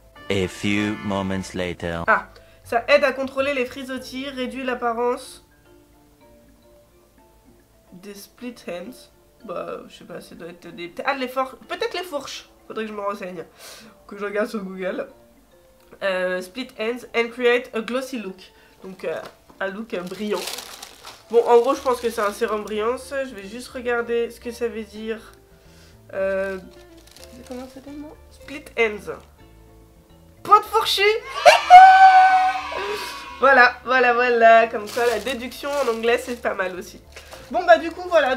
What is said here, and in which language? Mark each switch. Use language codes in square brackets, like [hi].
[en] A few moments later. [fr] Ah, ça aide à contrôler les frisottis, réduit l'apparence des split ends. Bah, je sais pas, ça doit être des. Ah, peut-être les fourches. Faudrait que je me renseigne, que je regarde sur Google. [en] Split ends and create a glossy look. [fr] Donc un look brillant. Bon, en gros, je pense que c'est un sérum brillance. Je vais juste regarder ce que ça veut dire. Comment c'était le mot? Split ends. Point de fourchu. Voilà, voilà, voilà. Comme quoi, la déduction en anglais, c'est pas mal aussi. Bon, bah, du coup, voilà.